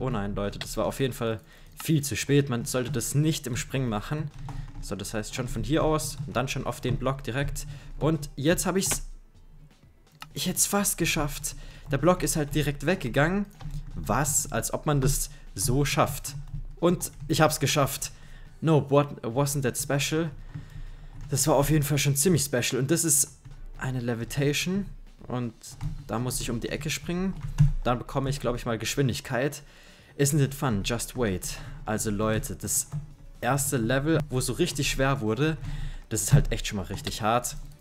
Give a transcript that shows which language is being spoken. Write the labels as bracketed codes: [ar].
[de] Oh nein, Leute, das war auf jeden Fall viel zu spät. Man sollte das nicht im Springen machen. So, das heißt schon von hier aus. Und dann schon auf den Block direkt. Und jetzt habe ich es... Ich hätte es fast geschafft. Der Block ist halt direkt weggegangen. Was? Als ob man das so schafft. Und ich hab's geschafft. [en] No, what, wasn't that special? [de] Das war auf jeden Fall schon ziemlich special. Und das ist eine Levitation. Und da muss ich um die Ecke springen. Dann bekomme ich, glaube ich, mal Geschwindigkeit. [en] Isn't it fun? Just wait. [de] Also Leute, das erste Level, wo so richtig schwer wurde, das ist halt echt schon mal richtig hart.